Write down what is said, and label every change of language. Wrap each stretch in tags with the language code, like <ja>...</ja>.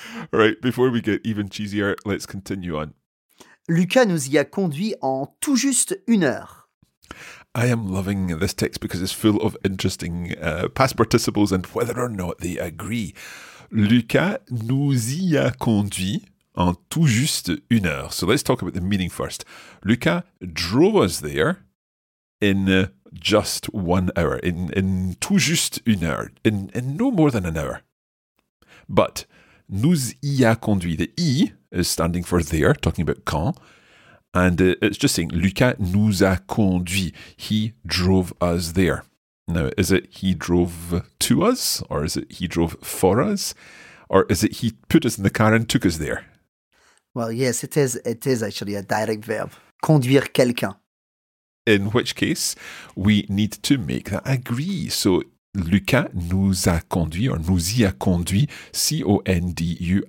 <en>Right, before we get even cheesier, let's continue on.</en> <fr>Lucas nous y a conduit en tout juste une heure.</fr> <en>I am loving this text because it's full of interesting past participles and whether or not they agree.</en> <fr>Lucas nous y a conduit en tout juste une heure.</fr> <en>So let's talk about the meaning first. Lucas drove us there in just 1 hour, in</en> <fr>tout juste une heure,</fr> <en>in no more than an hour. But</en> <fr>nous y a conduit,</fr> <en>the I is standing for there, talking about quand. And it's just saying,</en> <fr>Lucas nous a conduit.</fr> <en>He drove us there. Now, is it he drove to us? Or is it he drove for us? Or is it he put us in the car and took us there? Well, yes, it is actually a direct verb.</en> <fr>Conduire quelqu'un.</fr> <en>In which case, we need to make that agree. So,</en> <fr>Lucas nous a conduit,</fr> <en>or</en> <fr>nous y a conduit,</fr> <en>C-O-N-D-U-I-T-S.</en>